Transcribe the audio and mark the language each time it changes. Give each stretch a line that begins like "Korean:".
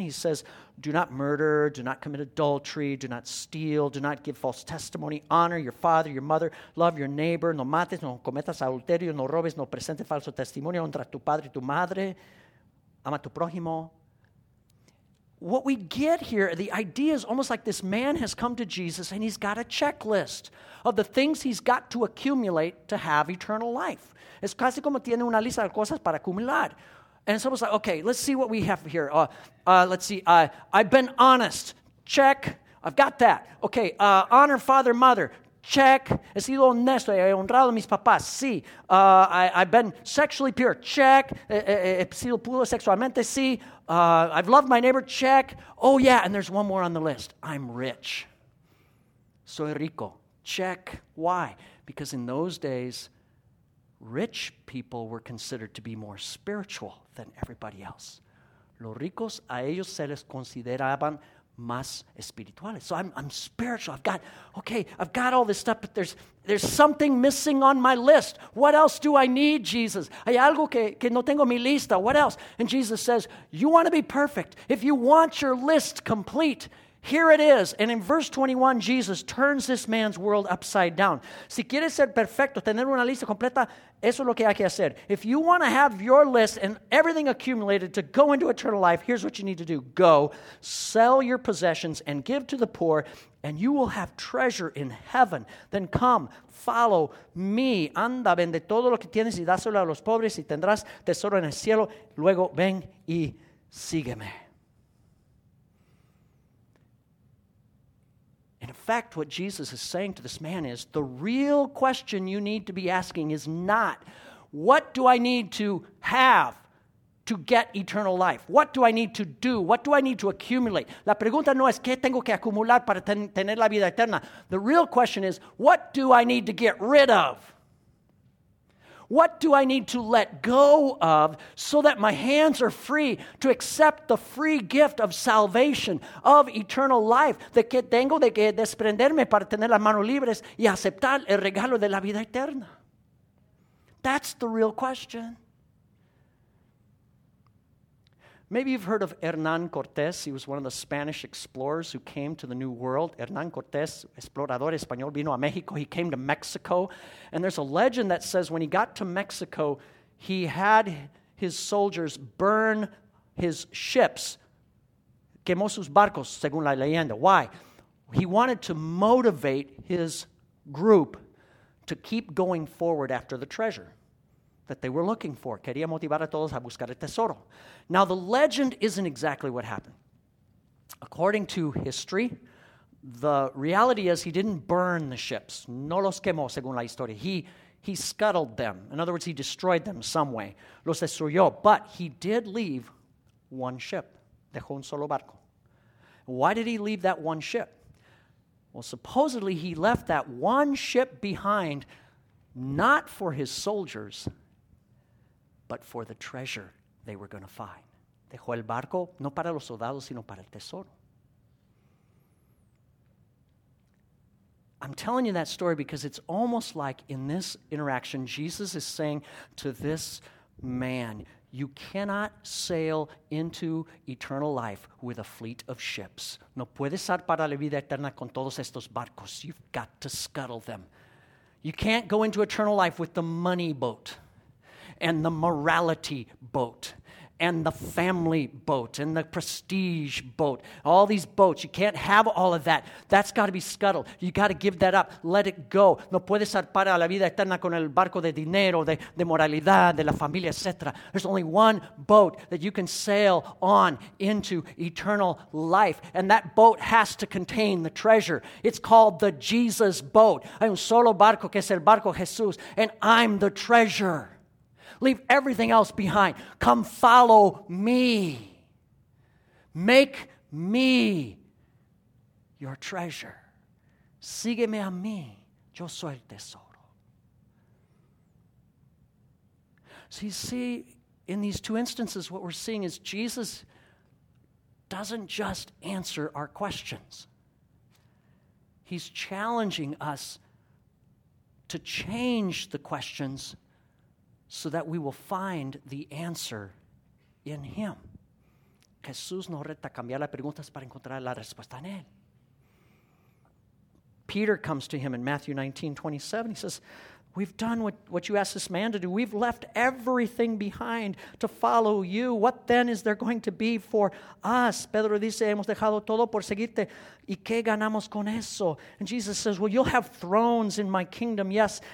English: He says, do not murder, do not commit adultery, do not steal, do not give false testimony, honor your father, your mother, love your neighbor,
Spanish: no mates, no cometas adulterio, no robes, no presentes falso testimonio, honra tu padre y tu madre, ama tu prójimo.
English: What we get here, the idea is almost like this man has come to Jesus and he's got a checklist of the things he's got to accumulate to have eternal life.
Spanish: Es casi como tiene una lista de cosas para acumular.
English: And someone's like, okay, let's see what we have here. I've been honest. Check. I've got that. Okay, honor father, mother. Check.
Spanish: He sido honesto. He honrado a mis papás. Sí.
English: I've been sexually pure. Check.
Spanish: He sido puro sexualmente. Sí.
English: I've loved my neighbor. Check. Oh, yeah, and there's one more on the list. I'm rich.
Spanish: Soy rico.
English: Check. Why? Because in those days, rich people were considered to be more spiritual than everybody else.
Spanish: Los ricos, a ellos se les consideraban más espirituales.
English: So I'm spiritual. I've got all this stuff, but there's something missing on my list. What else do I need, Jesus?
Spanish: Hay algo que no tengo mi lista.
English: What else? And Jesus says, you want to be perfect. If you want your list complete, here it is. And in verse 21, Jesus turns this man's world upside down.
Spanish: Si quieres ser perfecto, tener una lista completa, eso es lo que hay que hacer.
English: If you want to have your list and everything accumulated to go into eternal life, here's what you need to do. Go, sell your possessions and give to the poor, and you will have treasure in heaven. Then come, follow me.
Spanish: Anda, vende todo lo que tienes y dáselo a los pobres y tendrás tesoro en el cielo. Luego ven y sígueme.
English: In fact, what Jesus is saying to this man is the real question you need to be asking is not what do I need to have to get eternal life? What do I need to do? What do I need to accumulate?
Spanish: La pregunta no es qué tengo que acumular para tener la vida eterna.
English: The real question is what do I need to get rid of? What do I need to let go of so that my hands are free to accept the free gift of salvation, of eternal life?
Spanish: ¿De qué tengo de que desprenderme para tener las manos libres y aceptar el regalo de la vida eterna?
English: That's the real question. Maybe you've heard of Hernán Cortés. He was one of the Spanish explorers who came to the New World.
Spanish: Hernán Cortés, explorador español, vino a México.
English: He came to Mexico. And there's a legend that says when he got to Mexico, he had his soldiers burn his ships.
Spanish: Quemó sus barcos, según la leyenda.
English: Why? He wanted to motivate his group to keep going forward after the treasure that they were looking for.
Spanish: Quería motivar a todos a buscar el tesoro.
English: Now, the legend isn't exactly what happened. According to history, the reality is he didn't burn the ships.
Spanish: No los quemó, según la historia.
English: He scuttled them. In other words, he destroyed them some way.
Spanish: Los destruyó.
English: But he did leave one ship.
Spanish: Dejó un solo barco.
English: Why did he leave that one ship? Well, supposedly he left that one ship behind, not for his soldiers, but for the treasure they were going to find.
Spanish: Dejó el barco, no para los soldados, sino para el tesoro.
English: I'm telling you that story because it's almost like in this interaction, Jesus is saying to this man, you cannot sail into eternal life with a fleet of ships.
Spanish: No puedes zarpar a la vida eterna con todos estos barcos.
English: You've got to scuttle them. You can't go into eternal life with the money boat and the morality boat and the family boat and the prestige boat. All these boats, you can't have all of that. That's got to be scuttled. You got to give that up. Let it go.
Spanish: No puedes zarpar a la vida eterna con el barco de dinero, de moralidad, de la familia, etc.
English: There's only one boat that you can sail on into eternal life, and that boat has to contain the treasure. It's called the Jesus boat.
Spanish: Hay un solo barco que es el barco Jesús,
English: and I'm the treasure. Leave everything else behind. Come follow me. Make me your treasure.
Spanish: Sígueme a mí. Yo soy el tesoro.
English: So you see, in these two instances, what we're seeing is Jesus doesn't just answer our questions. He's challenging us to change the questions so that we will find the answer in him.
Spanish: Jesús nos reta a cambiar las preguntas para encontrar la respuesta en él.
English: Peter comes to him in Matthew 19:27. He says, we've done what you asked this man to do. We've left everything behind to follow you. What then is there going to be for us?
Spanish: Pedro dice, hemos dejado todo por seguirte. ¿Y qué ganamos con eso?
English: And Jesus says, well, you'll have thrones in my kingdom, yes.